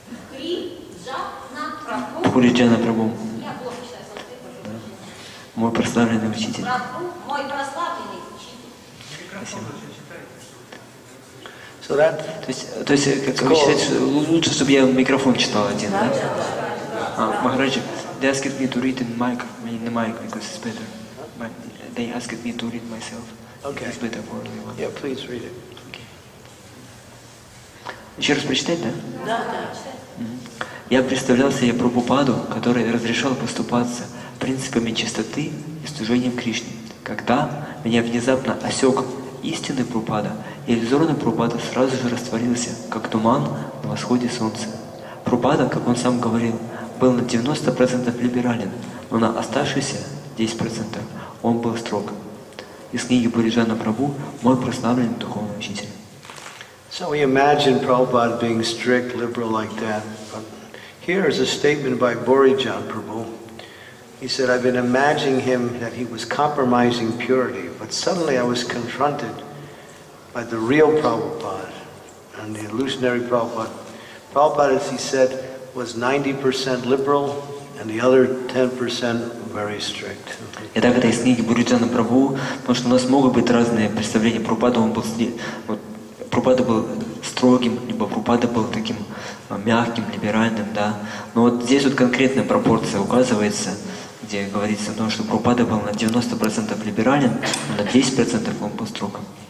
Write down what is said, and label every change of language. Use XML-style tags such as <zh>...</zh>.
<ru>Хриджа на Прабху. Хриджа на Прабху. Я плохо читаю, мой прославленный учитель. Мой прославленный учитель. Спасибо. То есть, считаете, лучше, чтобы я микрофон читал один, да?</ru> <en>Махараджи, they asked me to read in mic, in the mic, because it's better. But they asked me to read myself. Okay. It's better for everyone. Yeah, please read it. Okay.</en> <ru>Еще раз прочитать, да? Да, да, читать. Я представлялся я Прабхупаду, который разрешал поступаться принципами чистоты и служением Кришне. Когда меня внезапно осек истинный Прабхупада, иллюзорный Прабхупада сразу же растворился, как туман на восходе солнца. Прабхупада, как он сам говорил, был на 90% либерален, но на оставшиеся 10% он был строг. Из книги Бориджана Прабу «Мой прославленный духовный учитель».</ru> <en>So we imagine Prabhupada being strict, liberal like that. But here is a statement by Bhurijan Prabhu. He said, I've been imagining him that he was compromising purity, but suddenly I was confronted by the real Prabhupada and the illusionary Prabhupada. Prabhupada, as he said, was 90% liberal and the other 10% very strict.</en> <ru>И так это из книги Бхуриджана Прабху, потому что у нас могут быть разные представления. Прабхупада, он был, вот, Прабхупада был строгим, либо Прабхупада был таким мягким, либеральным, да. Но вот здесь вот конкретная пропорция указывается, где говорится о том, что Прабхупада был на 90% либерален, а на 10% он был строг.</ru>